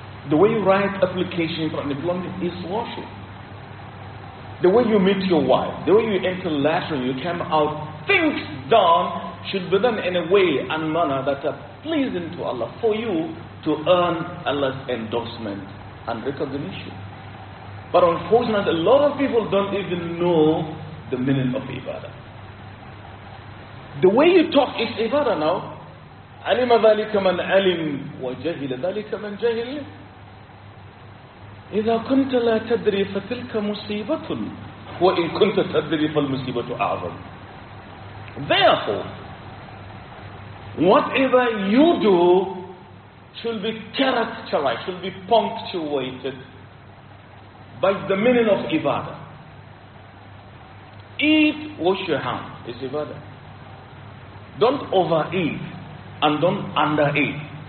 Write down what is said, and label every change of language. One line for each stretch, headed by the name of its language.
English: The way you write application for an employment is worship. The way you meet your wife, the way you enter later, you come out, things done should be done in a way and manner that are pleasing to Allah for you to earn Allah's endorsement and recognition. But unfortunately, a lot of people don't even know the meaning of ibadah. The way you talk is ibadah now.
Arabic: عَلِمَ ذَلِكَ مَنْ عَلِمْ وَجَهِلَ ذَلِكَ مَنْ جَهِلِ إذا كنت لا تدري فتلك مصيبة وإن كنت تدري فالمصيبة أعظم.
English: Therefore, whatever you do should be characterized, should be punctuated by the meaning of ibadah. Eat, wash your hands is ibadah. Don't overeat and don't undereat.